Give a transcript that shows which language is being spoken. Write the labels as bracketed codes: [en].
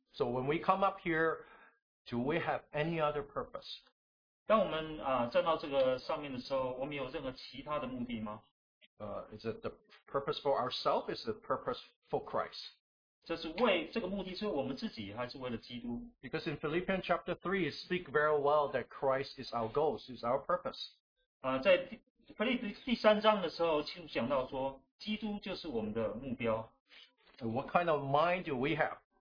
[en] So when we come up here, do we have any other purpose? [zh] 当我们站到这个上面的时候，我们有任何其他的目的吗？ [en] Is it the purpose for ourselves? Is it the purpose for Christ? [zh] 这个目的是为我们自己，还是为了基督？ [en] Because in Philippians chapter 3, it speaks very well that Christ is our goal, is our purpose. [zh] 在腓立比第三章的时候，清楚讲到说，基督就是我们的目标。 [en] And what kind of mind do we have?